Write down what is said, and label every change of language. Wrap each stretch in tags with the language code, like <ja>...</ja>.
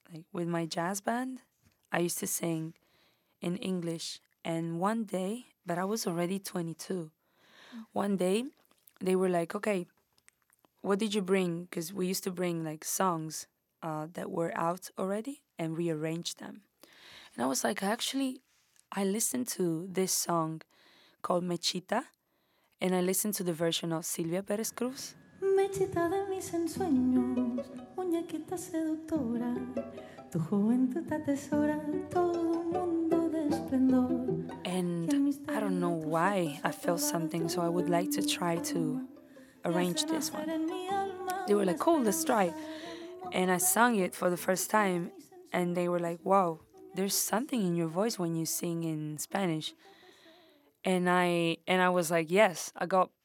<en>Like, with my jazz band, I used to sing in English, and one day, but I was already 22, one day they were like, okay, what did you bring? Because we used to bring like songs that were out already and rearrange them. And I was like, I listened to this song called Mechita, and I listened to the version of Silvia Perez Cruz.</en> <es>Mechita de mis ensueños, muñequita seductora. Tu juventud atesora todo mundo de esplendor.</es> <en>And I don't know why I felt something, so I would like to try to arrange this one. They were like, cool, let's try. And I sung it for the first time, and they were like, wow, there's something in your voice when you sing in Spanish. And I was like, yes, I got</en>